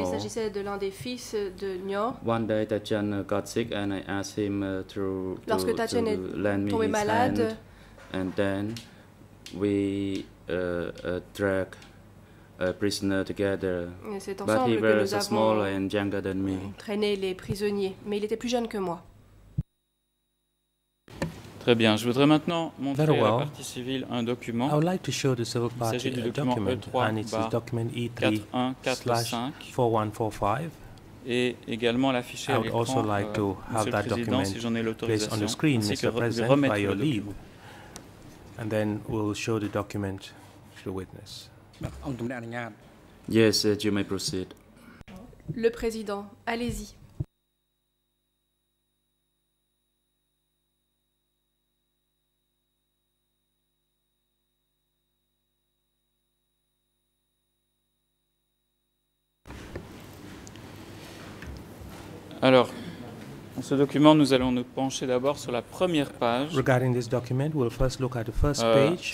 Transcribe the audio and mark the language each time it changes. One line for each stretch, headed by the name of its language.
French: Il s'agissait de l'un des fils de Nor.
English: One day Tachan got sick and I asked him to lend me his hand. And then we dragged a prisoner together. But he was smaller and younger than me.
French: Traînait les prisonniers, mais il était plus jeune que moi. Très bien, je voudrais maintenant montrer à la partie civile un document.
English: I would like to show the civil party
French: il s'agit du document E3,
English: and it's document
French: E3/4145. Et également l'afficher à l'écran,
English: I would also like to have that document
French: si j'en ai
English: placed on the screen, Mr. President, by your leave. And then we'll show the document to the witness. Yes, you may proceed.
French: Le Président, allez-y. Alors, dans ce document, nous allons nous pencher d'abord sur la première page.
English: Regarding this document, we'll first look at the first page.